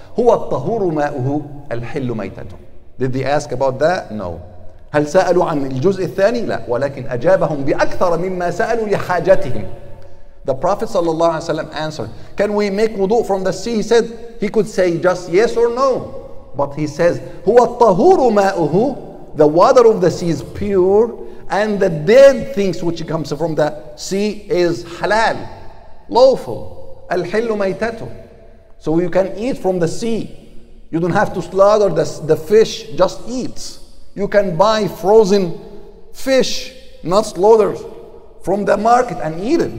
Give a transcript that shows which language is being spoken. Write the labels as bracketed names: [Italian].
[Arabic] هو الطهور ماؤه الحل ميتته. [English] Did they ask about that? No. [Arabic] هل سألوا عن الجزء الثاني؟ لا. ولكن أجابهم بأكثر مما سألوا لحاجتهم. [English] The Prophet sallallahu alaihi wasallam answered. Can we make wudu from the sea? He said he could say just yes or no. But he says [Arabic] هو الطهور ماؤه. [English] The water of the sea is pure. And the dead things which comes from the sea is halal, lawful. [Arabic] Al-hillu maytatu. [English] So you can eat from the sea. You don't have to slaughter the fish, just eat. You can buy frozen fish, not slaughtered, from the market and eat it.